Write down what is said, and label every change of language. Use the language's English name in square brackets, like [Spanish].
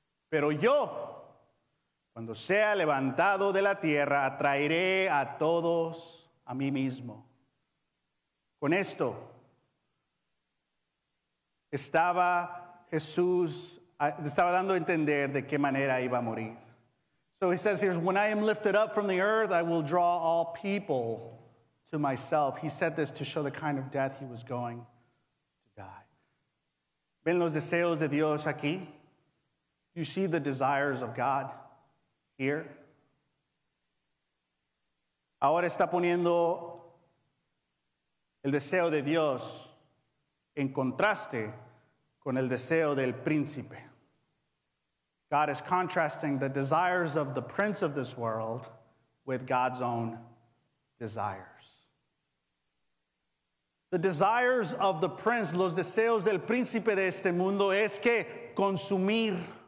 [Spanish] Pero yo, cuando sea levantado de la tierra, atraeré a todos a mí mismo. Con esto, estaba Jesús, estaba dando a entender de qué manera iba a morir. [English] So he says here, when I am lifted up from the earth, I will draw all people to myself. He said this to show the kind of death he was going to die. [Spanish] ¿Ven los deseos de Dios aquí? [English] You see the desires of God here? [Spanish] Ahora está poniendo el deseo de Dios en contraste con el deseo del príncipe. [English] God is contrasting the desires of the prince of this world with God's own desires. The desires of the prince, [Spanish] los deseos del príncipe de este mundo, es que consumir.